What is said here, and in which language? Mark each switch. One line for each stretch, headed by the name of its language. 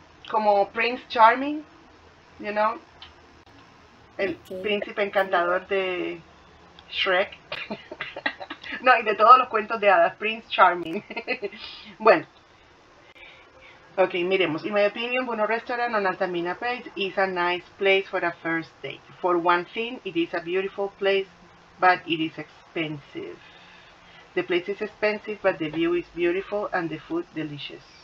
English: Como Prince Charming, you know?
Spanish: El príncipe encantador de Shrek. No, y de todos los cuentos de hadas, Prince Charming. Bueno. Ok, miremos.
English: In my opinion, bueno, restaurant on Altamina Place is a nice place for a first date. For one thing, it is a beautiful place, but it is expensive. The place is expensive, but the view is beautiful and the food delicious.